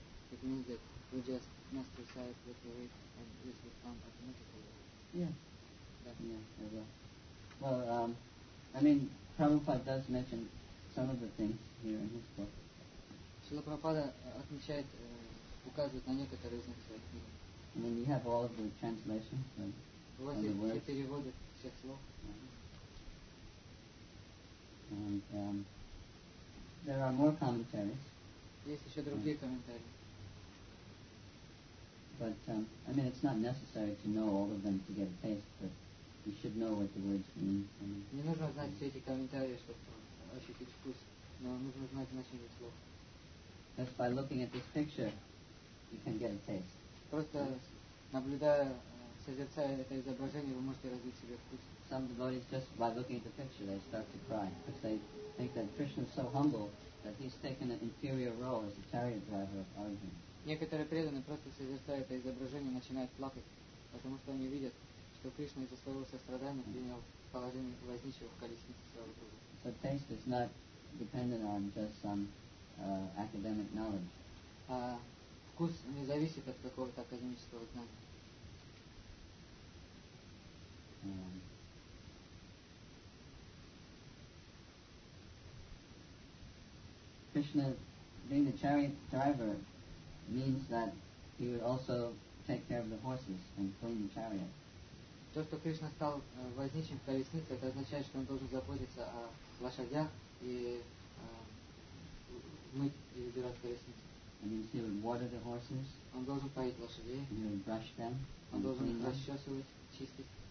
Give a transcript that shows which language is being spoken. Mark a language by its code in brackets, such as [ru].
[en] It means that we just must recite what we read and this will come automatically. Yeah. Definitely. Yeah, as well. Well, I mean, Prabhupada does mention some of the things here in his book. [ru] Srila Prabhupada отмечает, указывает на некоторые из них. [en] I mean, you have all of the translations. [ru] У вас есть все переводы всех слов. [en] And there are more commentaries. [ru] Есть еще другие комментарии. [en] But I mean, it's not necessary to know all of them to get a taste, but you should know what the words mean. [ru] Не нужно знать все эти комментарии, чтобы ощутить вкус, но нужно знать значение слов. [en] Just by looking at this picture, you can get a taste. [ru] Просто наблюдая, созерцая это изображение, вы можете развить себе вкус. [en] Some devotees, just by looking at the picture, they start to cry because they think that Krishna is so humble that he's taken an inferior role as a chariot driver of Arjuna. [ru] Некоторые преданные просто созерцают это изображение и начинают плакать, потому что они видят, что Кришна из-за своего сострадания принял положение возничего в колеснице своего друга. [en] So taste is not dependent on just some academic knowledge. [ru] А вкус не зависит от какого-то академического знания. [en] Krishna being a chariot driver means that he would also take care of the horses and clean the chariot. [ru] То, что Кришна стал возничим в колеснице, это означает, что он должен заботиться о лошадях и мыть и убирать колесницу. [en] And he would water the horses. [ru] Он должен поить лошадей. [en] He would brush them. [ru] Он должен их расчесывать, чистить.